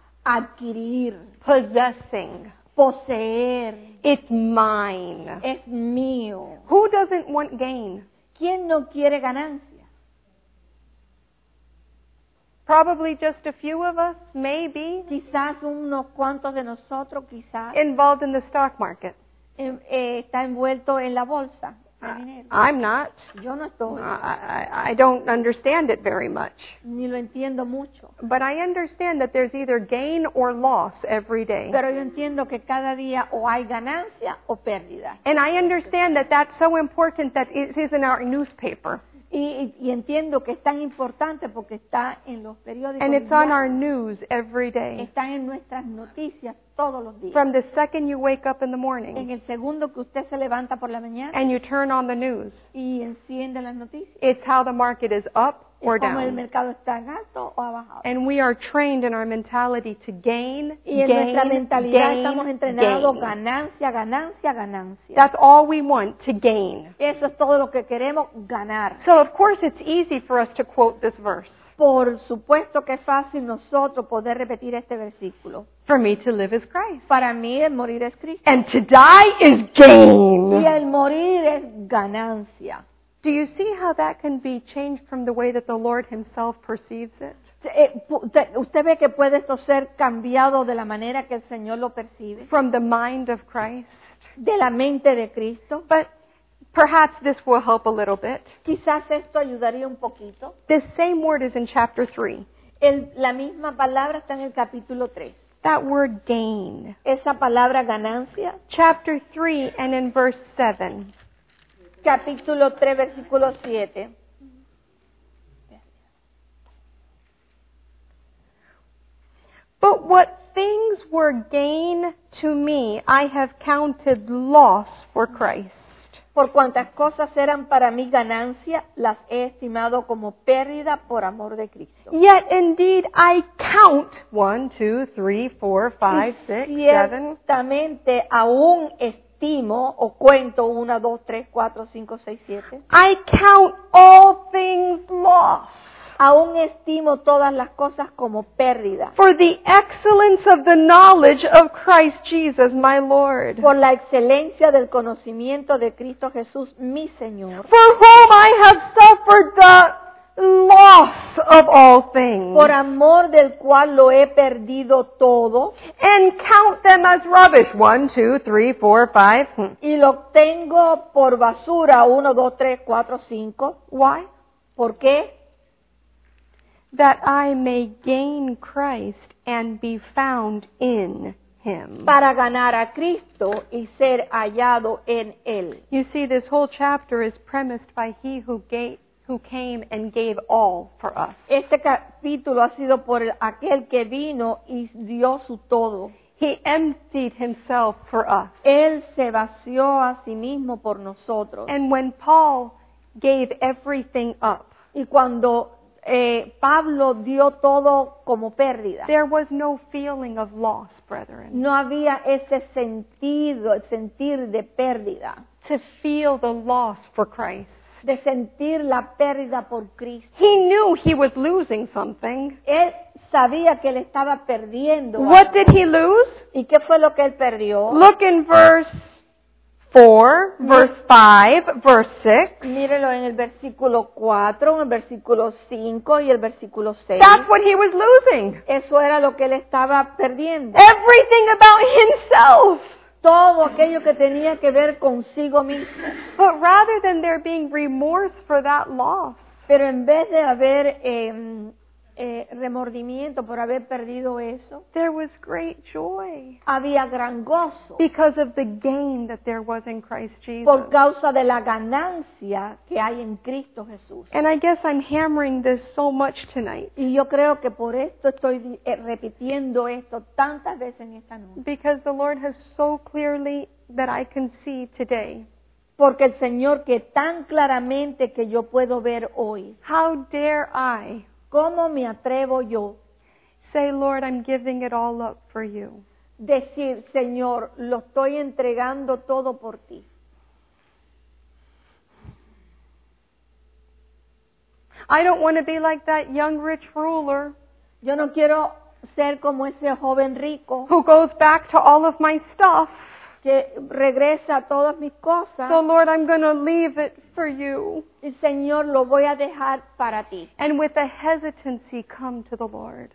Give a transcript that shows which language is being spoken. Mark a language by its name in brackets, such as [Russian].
[Spanish] Adquirir. [English] Possessing. [Spanish] Poseer. [English] It's mine. [Spanish] Es mío. [English] Who doesn't want gain? [Spanish] ¿Quién no quiere ganancia? [English] Probably just a few of us, maybe. [Spanish] Quizás unos cuantos de nosotros, quizás. [English] Involved in the stock market. [Spanish] Está envuelto en la bolsa. [English] I'm not. [Spanish] Yo no estoy. [English] I don't understand it very much. [Spanish] Ni lo entiendo mucho. [English] But I understand that there's either gain or loss every day. [Spanish] Pero yo entiendo que cada día o hay ganancia o pérdida. [English] And I understand that that's so important that it is in our newspaper. [Spanish] Y entiendo que es tan importante porque está en los periódicos. [English] And it's on our news every day. [Spanish] Está en nuestras noticias todos los días. [English] From the second you wake up in the morning. [Spanish] En el segundo que usted se levanta por la mañana. [English] And you turn on the news. [Spanish] Y enciende las noticias. [English] It's how the market is up or down. [Spanish] Es como el mercado está en alto o ha bajado. [English] And we are trained in our mentality to gain, [Spanish] y en nuestra mentalidad estamos entrenados ganancia, ganancia, ganancia. [English] That's all we want, to gain. [Spanish] Eso es todo lo que queremos, ganar. [English] So of course it's easy for us to quote this verse. [Spanish] Por supuesto que es fácil nosotros poder repetir este versículo. [English] For me to live is Christ. [Spanish] Para mí el morir es Cristo. [English] And to die is gain. [Spanish] Y el morir es ganancia. [English] Do you see how that can be changed from the way that the Lord himself perceives it? [Spanish] ¿Usted ve que puede esto ser cambiado de la manera que el Señor lo percibe? [English] From the mind of Christ. [Spanish] De la mente de Cristo. [English] But perhaps this will help a little bit. [Spanish] Quizás esto ayudaría un poquito. [English] The same word is in chapter 3. [Spanish] La misma palabra está en el capítulo 3. [English] That word gain. [Spanish] Esa palabra ganancia. [English] Chapter 3 and in verse 7. [Spanish] Capítulo 3, versículo 7. [English] But what things were gain to me, I have counted loss for Christ. [Spanish] Por cuantas cosas eran para mí ganancia, las he estimado como pérdida por amor de Cristo. [English] Yet indeed I count 1, 2, 3, 4, 5, 6, 7. [Spanish] Ciertamente aún estimo o cuento 1, 2, 3, 4, 5, 6, 7. [English] I count all things lost. [Spanish] Aún estimo todas las cosas como pérdida. [English] For the excellence of the knowledge of Christ Jesus, my Lord. [Spanish] Por la excelencia del conocimiento de Cristo Jesús, mi Señor. [English] For whom I have suffered the loss of all things. [Spanish] Por amor del cual lo he perdido todo. [English] And count them as rubbish. 1, 2, 3, 4, 5. [Spanish] Y lo tengo por basura. 1, 2, 3, 4, 5. [English] Why? [Spanish] ¿Por qué? [English] That I may gain Christ and be found in Him. [Spanish] Para ganar a Cristo y ser hallado en Él. [English] You see, this whole chapter is premised by He who came and gave all for us. [Spanish] Este capítulo ha sido por aquel que vino y dio su todo. [English] He emptied Himself for us. [Spanish] Él se vació a sí mismo por nosotros. [English] And when Paul gave everything up. [Spanish] Y cuando Pablo dio todo como pérdida. [English] There was no feeling of loss, brethren. [Spanish] No había ese sentido, sentir de pérdida. [English] To feel the loss for Christ. [Spanish] De sentir la pérdida por Cristo. [English] He knew he was losing something. [Spanish] Él sabía que él estaba perdiendo. [English] What did he lose? [Spanish] ¿Y qué fue lo que él perdió? [English] Look in verse 4, verse 5, verse 6. [Spanish] Mírelo en el versículo 4, en el versículo 5 y el versículo 6. [English] That's what he was losing. [Spanish] Eso era lo que él estaba perdiendo. [English] Everything about himself. [Spanish] Todo aquello que tenía que ver consigo mismo. [English] But rather than there being remorse for that loss. [Spanish] Pero en vez de haber remordimiento por haber perdido eso. [English] There was great joy. [Spanish] Había gran gozo. [English] Because of the gain that there was in Christ Jesus. [Spanish] Por causa de la ganancia que hay en Cristo Jesús. [English] And I guess I'm hammering this so much tonight. [Spanish] Y yo creo que por esto estoy repitiendo esto tantas veces en esta noche. [English] Because the Lord has so clearly that I can see today. [Spanish] Porque el Señor que tan claramente que yo puedo ver hoy. [English] How dare I? [Spanish] ¿Cómo me atrevo yo? [English] Say, Lord, I'm giving it all up for you. [Spanish] Decir, Señor, lo estoy entregando todo por ti. [English] I don't want to be like that young rich ruler. [Spanish] Yo no quiero ser como ese joven rico. [English] Who goes back to all of my stuff. [Spanish] Que regresa a todas mis cosas. [English] So Lord, I'm going to leave it for you. [Spanish] Y Señor, lo voy a dejar para ti. [English] And with a hesitancy come to the Lord.